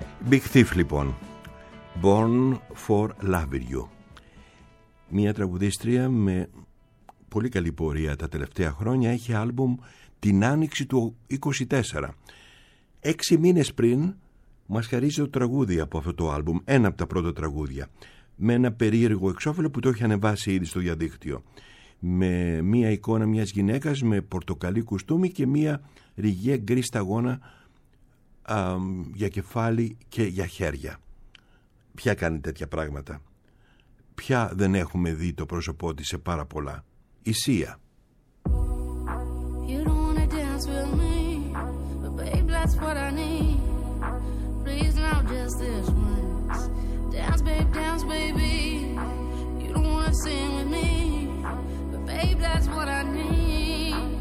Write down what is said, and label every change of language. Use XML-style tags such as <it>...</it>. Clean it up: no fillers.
<el>Big Thief, λοιπόν, Born for Loving You. Μια τραγουδίστρια με πολύ καλή πορεία τα τελευταία χρόνια, έχει άλμπουμ την άνοιξη του 24. 6 μήνες πριν μας χαρίζει το τραγούδι από αυτό το άλμπουμ, ένα από τα πρώτα τραγούδια, με ένα περίεργο εξώφυλλο που το έχει ανεβάσει ήδη στο διαδίκτυο, με μια εικόνα μιας γυναίκας με πορτοκαλί κουστούμι και μια ριγέ γκρι σταγόνα για κεφάλι και για χέρια. Ποια κάνει τέτοια πράγματα? Ποια δεν έχουμε δει το πρόσωπό της σε πάρα πολλά? Η Σία.</el> <en>You don't wanna dance with me, but babe, that's what I need. Please now just this once. Dance baby, you don't wanna sing with me, but babe, that's what I need.</en>